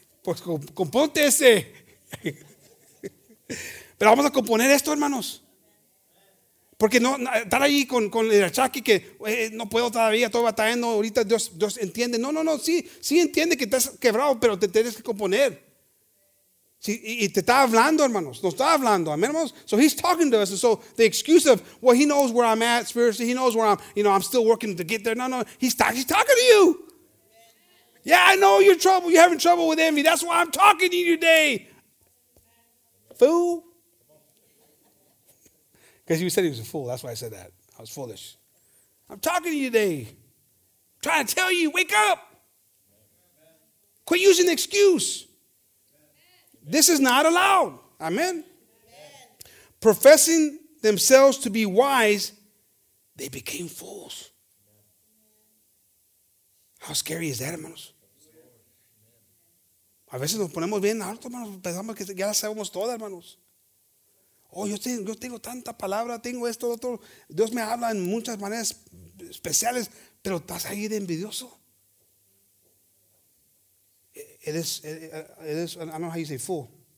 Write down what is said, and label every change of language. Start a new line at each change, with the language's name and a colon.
Spanish: Pues componte ese. Pero vamos a componer esto, hermanos. Porque no estar ahí con el achaque que no puedo todavía, estoy batallando. Ahorita Dios entiende. No, sí entiende que estás quebrado, pero te tienes que componer. Sí, y te está hablando, hermanos. Nos está hablando, amén, hermanos.
English: So he's talking to us. And so the excuse of, well, he knows where I'm at spiritually. He knows where I'm, you know, I'm still working to get there. No, he's talking to you. Yeah, I know you're trouble. You're having trouble with envy. That's why I'm talking to you today. Fool. Because you said he was a fool. That's why I said that. I was foolish. I'm talking to you today. I'm trying to tell you, wake up. Quit using the excuse. This is not allowed. Amen. Professing themselves to be wise, they became fools. How scary is that, hermanos?
Spanish: A veces nos ponemos bien alto, hermanos. Pensamos que ya sabemos todo, hermanos. Oh, yo tengo tanta palabra, tengo esto, otro. Dios me habla en muchas maneras especiales, pero estás ahí de envidioso. Eres,
English: I don't know how you say fool.